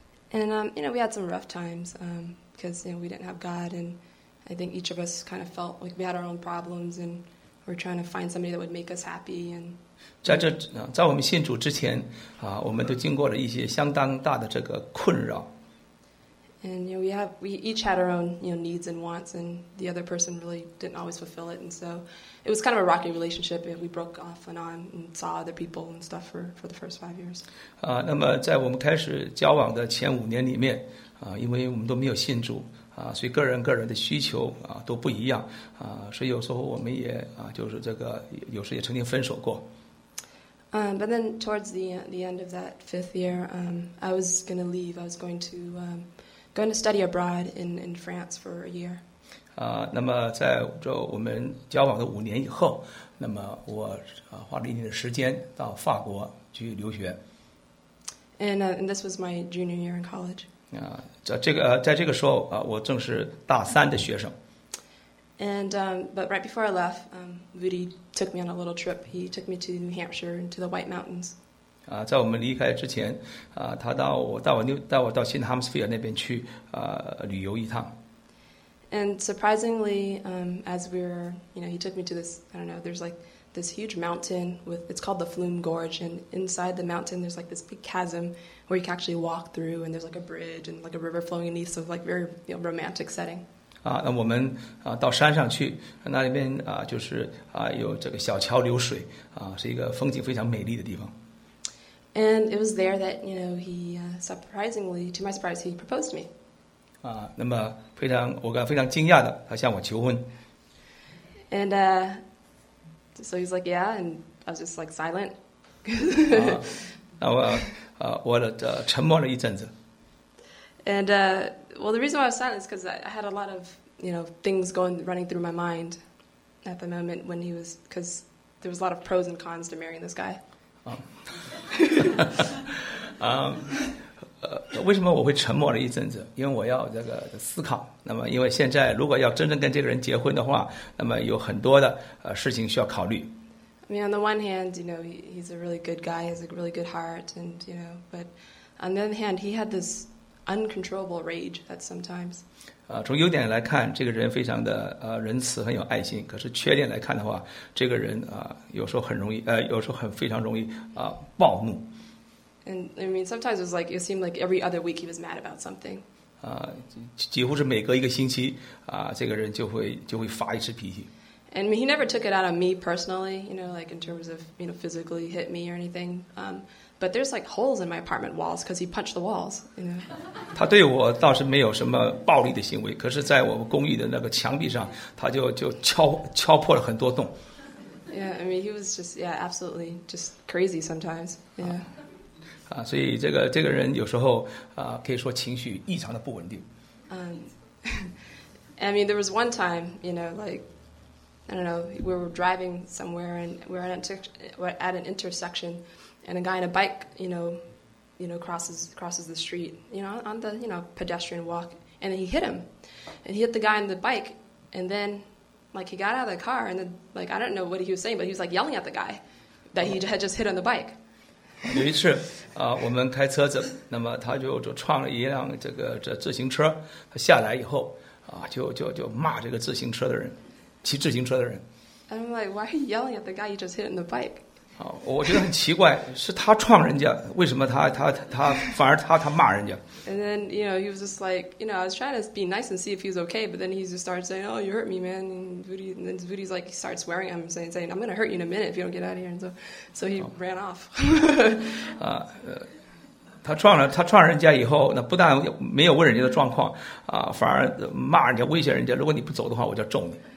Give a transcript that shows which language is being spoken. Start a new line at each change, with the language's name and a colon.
English: And you know, we had some rough times, because you know, we didn't have God, and I think each of us kind of felt like we had our own problems, and we're trying to find somebody that would make us happy. And
Chinese: 在我们信主之前，我们都经过了一些相当大的这个困扰。
English: And you know, we each had our own, you know, needs and wants, and the other person really didn't always fulfill it. And so it was kind of a rocky relationship. We broke off and on and saw other people and stuff for the first 5 years.
Chinese: 那么在我们开始交往的前五年里面，因为我们都没有信主，所以个人的需求都不一样，所以有时候我们也就是这个有时也曾经分手过。
English: But then towards the end of that fifth year, I was going to leave. I was going to study abroad in France for a year.
Chinese: 那么在这我们交往的五年以后，那么我花了一年的时间到法国去留学。
English: And this was my junior year in college.
Chinese: 在这个时候我正是大三的学生。
English: And but right before I left, Vudi took me on a little trip. He took me to New Hampshire and to the White Mountains.
Chinese: 在我们离开之前，他带我到新罕布斯菲尔那边去旅游一趟。
English: And surprisingly, as we were, you know, he took me to this, I don't know, there's like this huge mountain with, it's called the Flume Gorge, and inside the mountain there's like this big chasm where you can actually walk through, and there's like a bridge and like a river flowing beneath, so like very, you know, romantic setting.
Chinese: 那我们到山上去，那里面就是有这个小桥流水，是一个风景非常美丽的地方。
English: And it was there that, you know, he surprisingly, to my surprise, he proposed to me.
Chinese: 那么非常，我感到非常惊讶的，他向我求婚。
English: And so he's like, yeah, and I was just like silent.
Chinese: 那我沉默了一阵子。
English: And well, the reason why I was silent is because I had a lot of, you know, things going running through my mind at the moment when he was, because there was a lot of pros and cons to marrying this guy.
Chinese: 为什么我会沉默了一阵子？因为我要这个思考。那么，因为现在如果要真正跟这个人结婚的话，那么有很多的事情需要考虑。
English: I mean, on the one hand, you know, he's a really good guy, he has a really good heart, and you know, but on the other hand, he had this. Uncontrollable rage at sometimes.
Chinese: 从优点来看，这个人非常的仁慈，很有爱心。可是缺点来看的话，这个人有时候很容易有时候很非常容易暴怒。
English: And I mean, sometimes it was like it seemed like every other week he was mad about something.
Chinese: 几乎是每隔一个星期这个人就会发一次脾气。
English: And I mean, he never took it out on me personally, you know, like in terms of, you know, physically hit me or anything. But there's like holes in my apartment walls because he punched the walls, you know.
Chinese: 他对我倒是没有什么暴力的行为，可是在我们公寓的那个墙壁上，他就敲破了很多洞。
English: Yeah, I mean, he was just, yeah, absolutely just crazy sometimes, yeah.
Chinese: 所以这个人有时候可以说情绪异常的不稳定。
English: I mean, there was one time, you know, like,I don't know, we were driving somewhere and we're at an intersection and a guy on a bike, you know, crosses the street, you know, on the, you know, pedestrian walk, and then he hit him. And he hit the guy on the bike, and then, like, he got out of the car, and then, like, I don't know what he was saying, but he was, like, yelling at the guy that he had just hit on the bike.
Chinese: 有一次，我们开车子，那么他就撞了一辆这自行车，他下来以后，就骂这个自行车的人。骑自行车的人
English: ，I'm like, why are you yelling at the guy you just hit in the bike?
Chinese: 我觉得很奇怪，是他撞人家，为什么他反而骂人家
English: ？And then, you know, he was just like, you know, I was trying to be nice and see if he was okay, but then he just started saying, "Oh, you hurt me, man." And then Vudi's like, he starts swearing at him, saying, "I'm gonna hurt you in a minute if you don't get out of here." And so he ran off.
Chinese: 他撞人家以后，那不但没有问人家的状况，反而骂人家，威胁人家，如果你不走的话，我就揍你。